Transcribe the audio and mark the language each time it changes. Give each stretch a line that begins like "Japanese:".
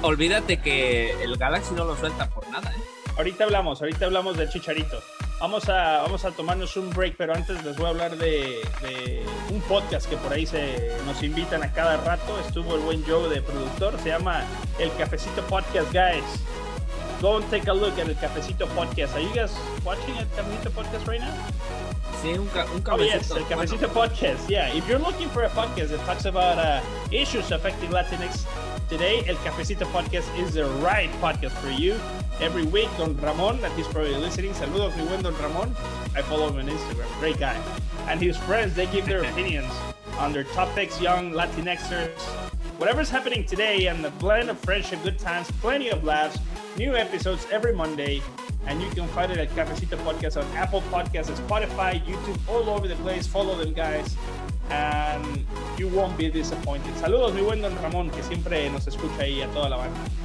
Spanish: Olvídate que el Galaxy no lo suelta por nada. Ahorita hablamos del Chicharito. Vamos a tomarnos un break, pero antes les voy a hablar de un podcast que por ahí nos invitan a cada rato. Estuvo el buen Joe de productor. Se llama El Cafecito Podcast, guys.
English: go and take a look at El Cafecito Podcast. Are you guys watching El Cafecito Podcast right now? El Cafecito Podcast. Yeah, if you're looking for a podcast that talks about issues affecting Latinx today, El Cafecito Podcast is the right podcast for you. Every week, Don Ramon, that he's probably listening.
Spanish: Saludos, mi buen Don Ramon.
English: I follow him on Instagram. Great guy. And his friends, they give their opinions on their topics, young Latinxers. Whatever's happening today, and the blend of friendship, good times, plenty of laughs, new episodes every Monday, and you can find it at Cafecito Podcast on Apple Podcasts, Spotify, YouTube, all over the place. Follow them, guys, and you won't be disappointed.
Spanish: Saludos, mi buen Don Ramon, que siempre nos escucha ahí a toda la banda.